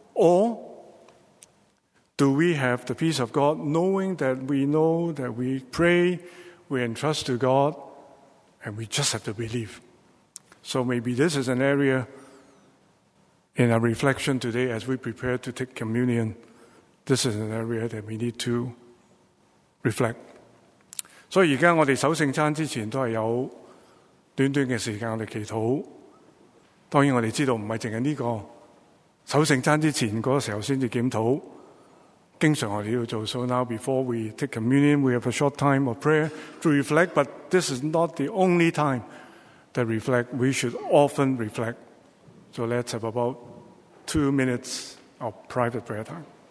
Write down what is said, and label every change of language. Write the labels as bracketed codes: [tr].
[en] Or do we have the peace of God, knowing that we know that we pray, we entrust to God, and we just have to believe? So maybe this is an area in our reflection today as we prepare to take communion. This is an area that we need to reflect. [zh] So 现在我们守圣餐之前都是有短短的时间我们祈祷。当然我们知道不是只是这个守圣餐之前那个时候才检讨。经常我们要做。 [en] So now before we take communion, we have a short time of prayer to reflect, but this is not the only time that reflect. We should often reflect. So let's have about 2 minutes of private prayer time.